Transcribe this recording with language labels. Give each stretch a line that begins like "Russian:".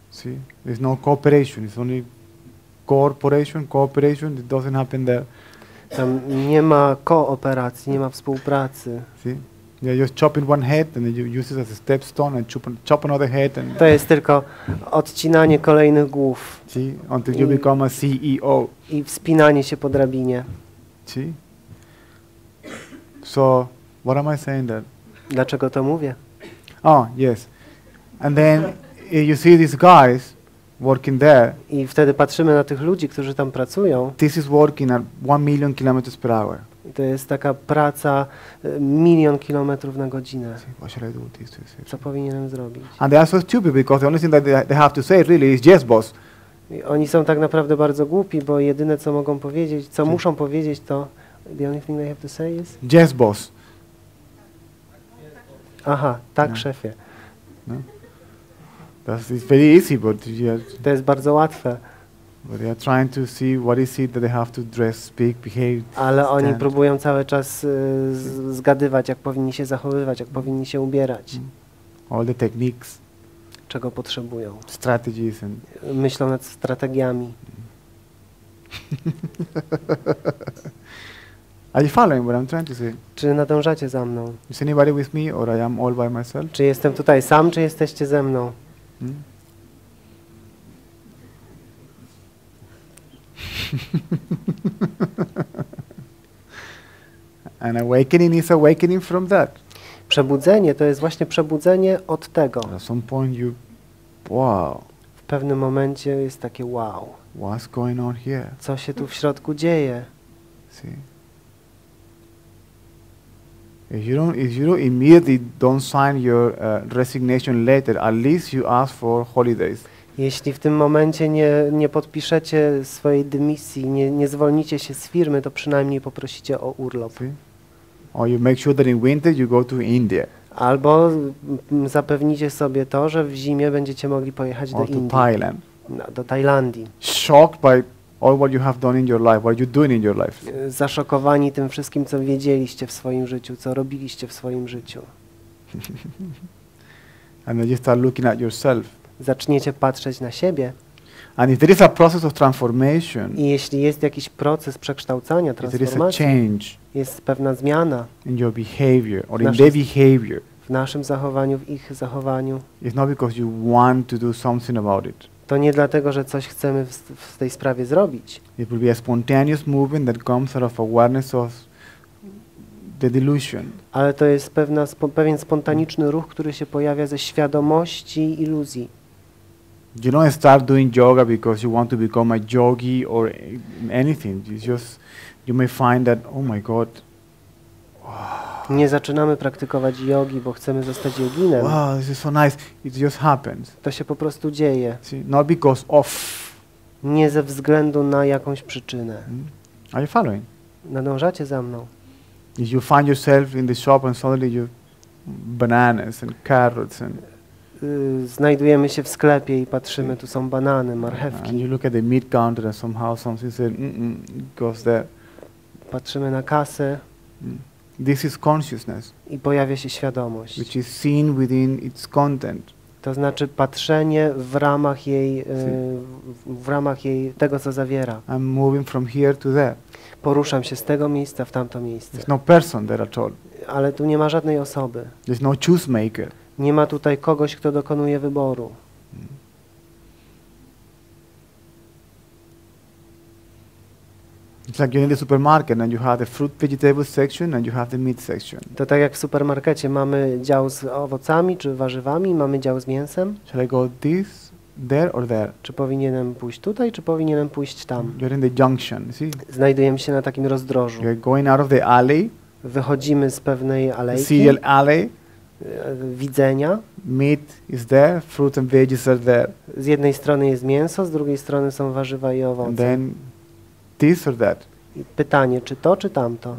English: See, there's no cooperation. It's only corporation, cooperation. It doesn't happen there.
Polish: Tam nie ma kooperacji, nie ma współpracy.
English: See? Yeah, you're chopping one head and then you use it as a step stone and chop another head and
Polish: to jest tylko odcinanie kolejnych głów.
English: See? Until you become a CEO.
Polish: I wspinanie się po drabinie.
English: See? So, what am I saying then?
Polish: Dlaczego to mówię?
English: Oh, yes. And then you see these guys working there.
Polish: I wtedy patrzymy na tych ludzi, którzy tam pracują.
English: This is working at 1,000,000 kilometers per hour.
Polish: To jest taka praca 1,000,000 kilometrów na godzinę.
English: What should I do with this?
Polish: Co powinienem zrobić?
English: And they are so stupid because the only thing that they have to say really is yes, boss.
Polish: I oni są tak naprawdę bardzo głupi, bo jedyne co mogą powiedzieć, co muszą powiedzieć, to
English: the only thing they have to say is yes, boss.
Polish: Aha, tak, no. Szefie.
English: No. That's very easy, but
Polish: to jest bardzo łatwe.
English: But they are trying to see what is it that they have to dress, speak, behave.
Polish: Ale
English: stand.
Polish: Oni próbują cały czas zgadywać, jak powinni się zachowywać, jak powinni się ubierać.
English: All the techniques.
Polish: Czego potrzebują.
English: Strategies and
Polish: myślą nad strategiami.
English: Are you following what I'm trying to say?
Polish: Czy nadążacie za mną?
English: Is anybody with me or I am all by myself?
Polish: Czy jestem tutaj sam, czy jesteście ze mną?
English: An awakening is awakening from that.
Polish: Przebudzenie to jest właśnie przebudzenie od tego.
English: At some point you, wow.
Polish: W pewnym momencie jest takie wow.
English: What's going on here?
Polish: Co się tu w środku dzieje?
English: See? If you don't immediately don't sign your resignation letter, at least you ask for holidays.
Polish: Jeśli w tym momencie nie podpiszecie swojej dymisji, nie zwolnicie się z firmy, to przynajmniej poprosicie o urlop.
English: See? Or you make sure that in winter you go to India.
Polish: Albo zapewnicie sobie to, że w zimie będziecie mogli pojechać
English: or
Polish: do
English: to
Polish: Indii.
English: Thailand.
Polish: No, do Tajlandii.
English: Shocked by all what you have done in your life, what you're doing in your life.
Polish: Zaszokowani tym wszystkim, co wiedzieliście w swoim życiu, co robiliście w swoim życiu.
English: And then you start looking at yourself.
Polish: Zaczniecie patrzeć na siebie.
English: And if there is a process of transformation,
Polish: i jeśli jest jakiś proces przekształcania, transformacji,
English: there is a change,
Polish: jest pewna zmiana
English: in your behavior or in their behavior,
Polish: w naszym zachowaniu, w ich zachowaniu,
English: it's not because you want to do something about it.
Polish: To nie dlatego, że coś chcemy w tej sprawie zrobić.
English: It will be a spontaneous movement that comes out of awareness of the delusion.
Polish: Ale to jest pewien spontaniczny ruch, który się pojawia ze świadomości iluzji.
English: You don't start doing yoga because you want to become a yogi or anything. It's just you may find that, oh my God.
Polish: Nie zaczynamy praktykować jogi, bo chcemy zostać joginem.
English: Wow, this is so nice. It just happens.
Polish: To się po prostu dzieje.
English: See, not because of.
Polish: Nie ze względu na jakąś przyczynę.
English: Hmm? Are you following?
Polish: Nadążacie za mną.
English: If you find yourself in the shop and suddenly you bananas and carrots and
Polish: znajdujemy się w sklepie i patrzymy, tu są banany, marchewki.
English: And you look at the meat counter and somehow something says, goes there.
Polish: Patrzymy na kasę.
English: This is consciousness.
Polish: I pojawia się świadomość.
English: Which is seen within its content.
Polish: To znaczy patrzenie w ramach jej, w ramach jej tego, co zawiera.
English: I'm moving from here to there.
Polish: Poruszam się z tego miejsca w tamto miejsce.
English: There's no person there at all.
Polish: Ale tu nie ma żadnej osoby.
English: There's no choose maker.
Polish: Nie ma tutaj kogoś, kto dokonuje wyboru.
English: It's like you're in the supermarket and you have the fruit vegetable section and you have the meat section.
Polish: To tak jak w supermarkecie mamy dział z owocami czy warzywami, mamy dział z mięsem.
English: Shall I go this, there or there?
Polish: Czy powinienem pójść tutaj, czy powinienem pójść tam?
English: You're in the junction, see?
Polish: Znajdujemy się na takim rozdrożu.
English: You're going out of the alley.
Polish: Wychodzimy z pewnej alejki.
English: Serial alley.
Polish: Widzenia.
English: Meat is there, fruit and veggies are there.
Polish: Z jednej strony jest mięso, z drugiej strony są warzywa i owoce.
English: And then this or that.
Polish: pytanie, czy to, czy tamto.